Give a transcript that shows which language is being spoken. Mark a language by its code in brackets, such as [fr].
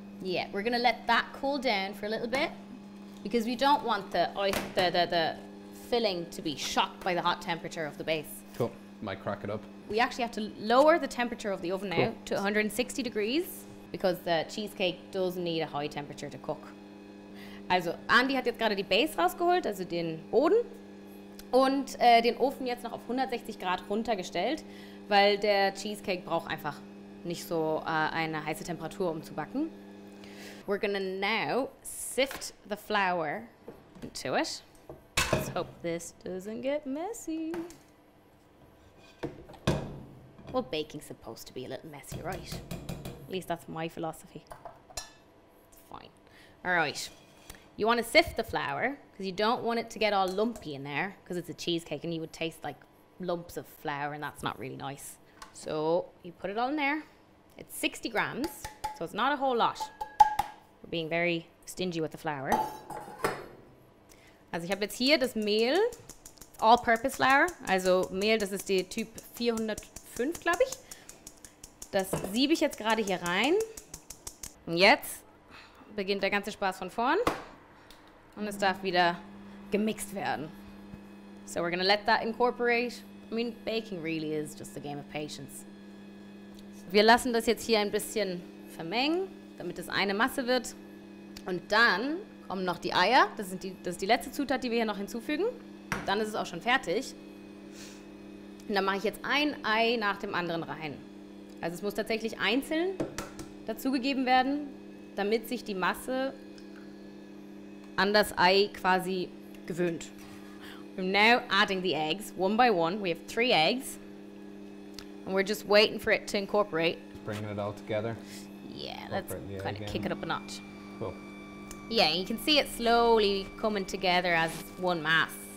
[en] Yeah, we're going to let that cool down for a little bit, because we don't want the filling to be shocked by the hot temperature of the base. Cool, might crack it up. We actually have to lower the temperature of the oven now to 160 degrees because the cheesecake does need a high temperature to cook. [de] Also Andy hat jetzt gerade die Base rausgeholt, also den Boden, und den Ofen jetzt noch auf 160 Grad runtergestellt, weil der Cheesecake braucht einfach nicht so eine heiße Temperatur, um zu backen. [en] We're gonna now sift the flour into it. Let's hope this doesn't get messy. Well, baking's supposed to be a little messy, right? At least that's my philosophy. It's fine. All right. You want to sift the flour, because you don't want it to get all lumpy in there, because it's a cheesecake and you would taste like lumps of flour, and that's not really nice. So you put it all in there. It's 60 grams, so it's not a whole lot. We're being very stingy with the flour. [de] Also ich habe jetzt hier das Mehl, all-purpose flour. Also Mehl, das ist die Typ 405, glaube ich. Das siebe ich jetzt gerade hier rein. Und jetzt beginnt der ganze Spaß von vorn. Und es darf wieder gemixt werden. [en] So we're gonna let that incorporate. I mean, baking really is just a game of patience. [de] Wir lassen das jetzt hier ein bisschen vermengen, damit es eine Masse wird. Und dann kommen noch die Eier. Das ist die letzte Zutat, die wir hier noch hinzufügen. Und dann ist es auch schon fertig. Und dann mache ich jetzt ein Ei nach dem anderen rein. Also es muss tatsächlich einzeln dazugegeben werden, damit sich die Masse an das Ei quasi gewöhnt. [en] We're now adding the eggs, one by one. We have 3 eggs. And we're just waiting for it to incorporate. Just bringing it all together. Yeah, let's kind of kick it up a notch. Cool. Yeah, you can see it slowly coming together as one mass.